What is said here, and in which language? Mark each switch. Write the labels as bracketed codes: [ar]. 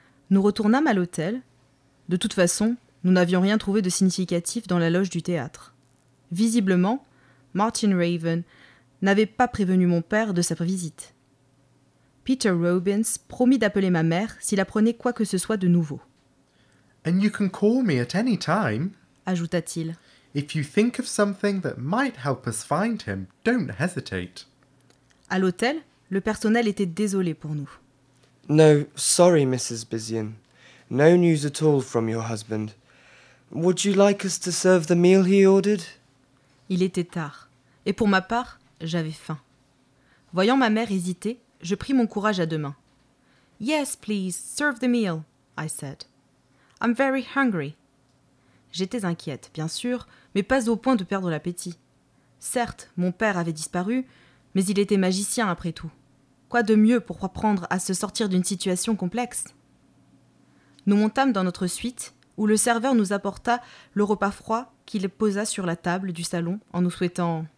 [fr] Nous retournâmes à l'hôtel. De toute façon, nous n'avions rien trouvé de significatif dans la loge du théâtre. Visiblement, Martin Raven n'avait pas prévenu mon père de sa visite. Peter Robbins promit d'appeler ma mère s'il apprenait quoi que ce soit de nouveau. [en] And you can call me at any time, [fr] ajouta-t-il. [en] If you think of something that might help us find him, don't hesitate. [fr] À l'hôtel, le personnel était désolé pour nous. [en] No, sorry, Mrs. Bizian. No news at all from your husband. Would you like us to serve the meal he ordered? [fr] Il était tard, et pour ma part, j'avais faim. Voyant ma mère hésiter, je pris mon courage à deux mains. [en] Yes, please, serve the meal, I said. I'm very hungry. [fr] J'étais inquiète, bien sûr, mais pas au point de perdre l'appétit. Certes, mon père avait disparu, mais il était magicien après tout. Quoi de mieux pour apprendre à se sortir d'une situation complexe? Nous montâmes dans notre suite, où le serveur nous apporta le repas froid qu'il posa sur la table du salon en nous souhaitant